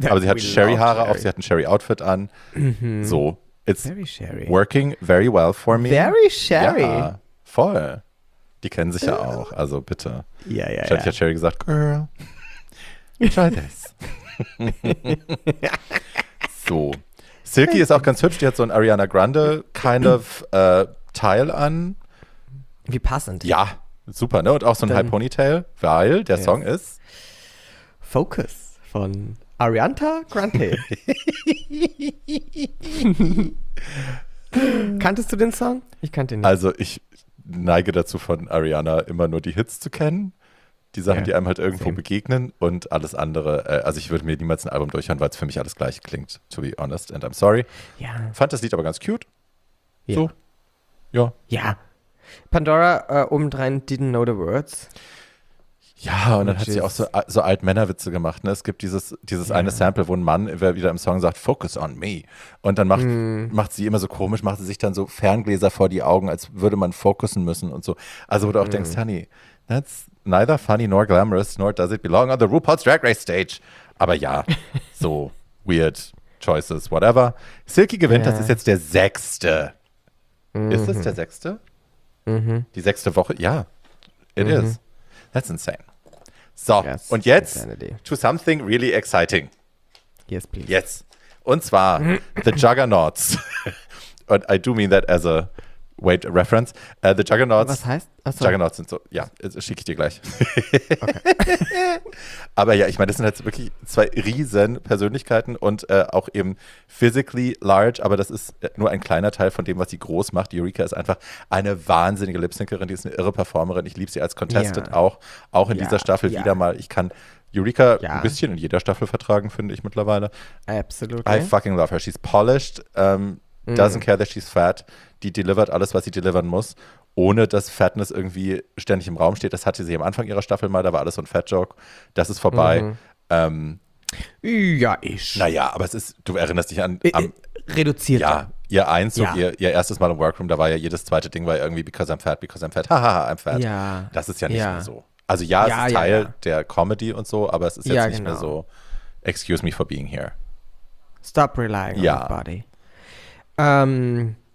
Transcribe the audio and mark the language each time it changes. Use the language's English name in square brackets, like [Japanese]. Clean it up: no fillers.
[German] Aber sie hat Sherry-Haare auf, sie hat ein Sherry-Outfit an. Mhm. So. [English] It's very working very well for me. Very Sherry. Ja, [German] voll. Die kennen sich ja auch, also bitte. Ja, ja, ja. Ich hatte Cherry gesagt, [English] girl, try this. [German] So. Silky ist auch ganz hübsch, die hat so ein Ariana Grande kind of Teil an. Wie passend. Ja, super, ne? Und auch so ein High Ponytail, weil der Song ist Focus von Ariana Grande. Kanntest du den Song? Ich kannte ihn nicht. Also ich neige dazu, von Ariana immer nur die Hits zu kennen. Die Sachen, die einem halt irgendwo begegnen und alles andere. Also ich würde mir niemals ein Album durchhören, weil es für mich alles gleich klingt, [English] to be honest. And I'm sorry. [German] Ja. Fand das Lied aber ganz cute. Ja. So. Ja. Ja. [English] Pandora [German] obendrein [English] didn't know the words. [German] Ja, und dann hat sie auch so Alt-Männer-Witze gemacht. Ne? Es gibt dieses eine Sample, wo ein Mann wieder im Song sagt, [English] focus on me. [German] Und dann macht sie immer so komisch, macht sie sich dann so Ferngläser vor die Augen, als würde man focussen müssen und so. Also wo du auch denkst, [English] honey, that's neither funny nor glamorous, nor does it belong on the RuPaul's Drag Race stage. [German] Aber ja, so [English] weird choices, whatever. [German] Silky gewinnt, das ist jetzt der sechste. Mm-hmm. Ist es der sechste? Mm-hmm. Die sechste Woche? Ja, [English] it is. That's insane. [German] So, und jetzt [English] to something really exciting. Yes, please. Yes. [German] Und zwar [English] the Juggernauts. And I do mean that as a weight reference. The Juggernauts. [German] Was heißt? Achso. Juggernauts sind so, ja, schicke ich dir gleich. Okay. Aber ja, ich meine, das sind jetzt wirklich zwei riesen Persönlichkeiten und auch eben physically large, aber das ist nur ein kleiner Teil von dem, was sie groß macht. Eureka ist einfach eine wahnsinnige Lip-Syncerin, die ist eine irre Performerin. Ich liebe sie als Contestant auch in dieser Staffel wieder mal. Ich kann Eureka ein bisschen in jeder Staffel vertragen, finde ich mittlerweile. Absolut. [English] I fucking love her. She's polished, doesn't care that she's fat. [German] Die delivert alles, was sie delivern muss, ohne dass Fatness irgendwie ständig im Raum steht. Das hatte sie am Anfang ihrer Staffel mal, da war alles so ein Fat-Joke. Das ist vorbei. Naja, aber es ist, du erinnerst dich an reduziert. Ja, ihr Einzug, ihr erstes Mal im Workroom, da war ja jedes zweite Ding, war irgendwie, [English] because I'm fat, hahaha, I'm fat. [German] Ja. Das ist ja nicht mehr so. Also ja, es ist Teil der Comedy und so, aber es ist jetzt nicht mehr so, [English] excuse me for being here. Stop relying on your body.